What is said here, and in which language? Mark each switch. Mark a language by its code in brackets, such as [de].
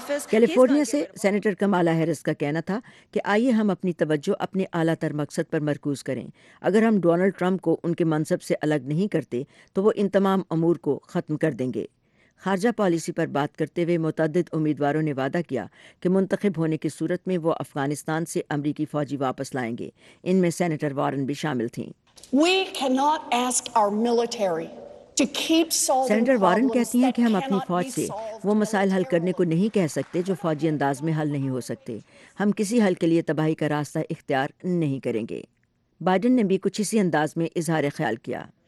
[ur] California سے senator Kamala Harris کا کہنا تھا کہ آئیے ہم اپنی توجہ اپنے اعلیٰ تر مقصد پر مرکوز کریں، اگر ہم ڈونلڈ ٹرمپ کو ان کے منصب سے الگ نہیں کرتے تو وہ ان تمام امور کو ختم کر دیں گے۔ خارجہ پالیسی پر بات کرتے ہوئے متعدد امیدواروں نے وعدہ کیا کہ منتخب ہونے کی صورت میں وہ افغانستان سے امریکی فوجی واپس لائیں گے، ان میں سینیٹر وارن بھی شامل تھیں۔ [en] We cannot ask our military to keep solving [ur] senator Warren کہتی ہیں کہ ہم اپنی فوج سے وہ مسائل حل کرنے کو نہیں کہہ سکتے جو فوجی انداز میں حل نہیں ہو سکتے، ہم کسی حل کے لیے تباہی کا راستہ اختیار نہیں کریں گے۔ بائیڈن نے بھی کچھ اسی انداز میں اظہار خیال کیا۔